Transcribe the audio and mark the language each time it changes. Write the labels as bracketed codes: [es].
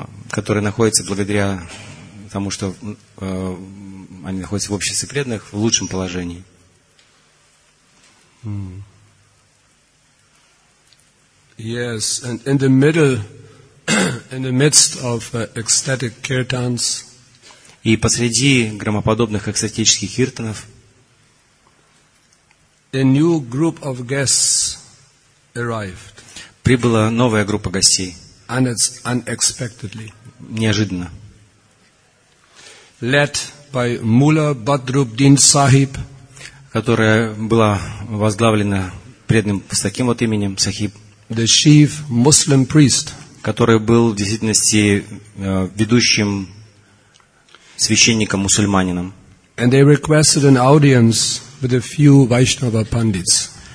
[ru] Который находится благодаря тому, что они находятся в обществе преданных в лучшем положении. [en] Yes, and in the middle, in the midst of ecstatic kirtans. [ru] И посреди громоподобных экстатических киртанов. [en] A new group of guests arrived. [ru] Прибыла новая группа гостей. [en] And it's unexpectedly. [ru] Неожиданно. [en] Led by Mula Badruddin Sahib. [ru] Которая была возглавлена преданным с таким вот именем, Сахиб. [en] The chief Muslim priest. [ru] Который был в действительности ведущим священником-мусульманином. [en] And they requested an audience with a few Vaishnava pandits.